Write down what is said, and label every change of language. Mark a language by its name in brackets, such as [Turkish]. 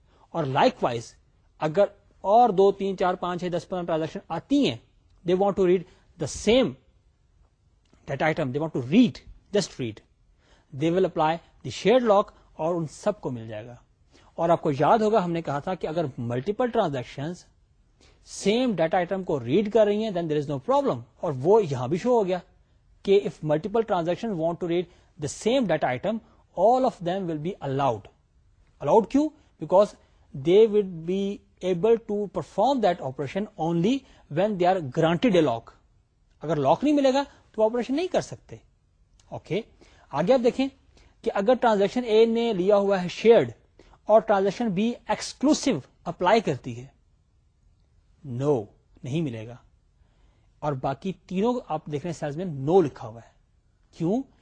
[Urdu] اور like wise اگر اور دو تین چار پانچ چھ دس پندرہ ٹرانزیکشن آتی ہیں, [English] they want to read the same data item, they want to read just read, they will apply the shared lock [Urdu] اور ان سب کو مل جائے گا. اور آپ کو یاد ہوگا ہم نے کہا تھا کہ اگر multiple transaction same data item کو ریڈ کر رہی ہیں [English] then there is no problem, [Urdu] اور وہ یہاں بھی شو ہو گیا کہ [English] If multiple transaction want to read the same data item, all of them will be allowed. [Urdu] Allowed کیوں? [English] Because they will be able to perform that operation only when they are granted a lock. [Urdu] اگر lock نہیں ملے گا تو operation نہیں کر سکتے. Okay. آگے آپ دیکھیں کہ اگر transaction A نے لیا ہوا ہے shared اور transaction B exclusive apply کرتی ہے, no, نہیں ملے گا. اور باقی تینوں آپ دیکھ رہے ہیں سیلز میں نو لکھا ہوا ہے. کیوں?